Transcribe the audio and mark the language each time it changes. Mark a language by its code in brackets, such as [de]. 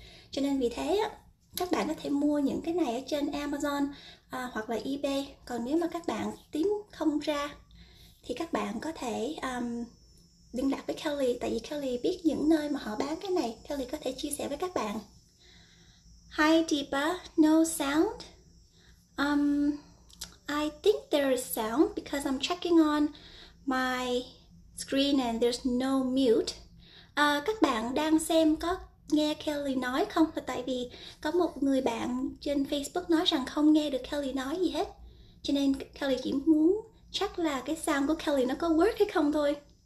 [vi] Cho nên vì thế các bạn có thể mua những cái này ở trên Amazon hoặc là eBay. Còn nếu mà các bạn tìm không ra thì các bạn có thể liên lạc với Kelly, tại vì Kelly biết những nơi mà họ bán cái này, Kelly có thể chia sẻ với các bạn. [en] Hi Deepa, no sound? I think there is sound because I'm checking on my screen and there's no mute. [vi] Các bạn đang xem có nghe Kelly nói không? Tại vì có một người bạn trên Facebook nói rằng không nghe được Kelly nói gì hết. Cho nên Kelly chỉ muốn chắc là cái sound của Kelly nó có work hay không thôi.